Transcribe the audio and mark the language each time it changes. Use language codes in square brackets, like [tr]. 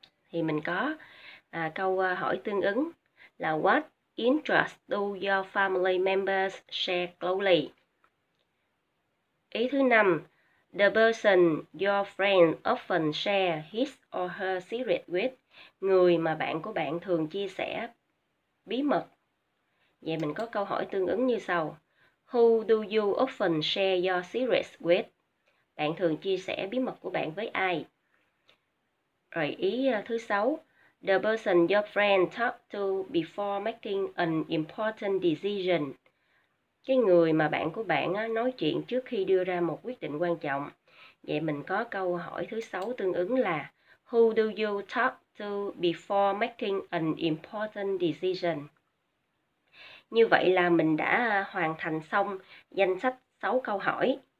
[vi] Thì mình có câu hỏi tương ứng là [en] What interest do your family members share closely? [vi] Ý thứ năm, [en] The person your friend often share his or her secret with. [vi] Người mà bạn của bạn thường chia sẻ bí mật. Vậy mình có câu hỏi tương ứng như sau. [en] Who do you often share your secrets with? [vi] Bạn thường chia sẻ bí mật của bạn với ai? Rồi ý thứ sáu. [en] The person your friend talked to before making an important decision. [vi] Cái người mà bạn của bạn á, nói chuyện trước khi đưa ra một quyết định quan trọng. Vậy mình có câu hỏi thứ sáu tương ứng là [en] Who do you talk to before making an important decision? [vi] Như vậy là mình đã hoàn thành xong danh sách 6 câu hỏi.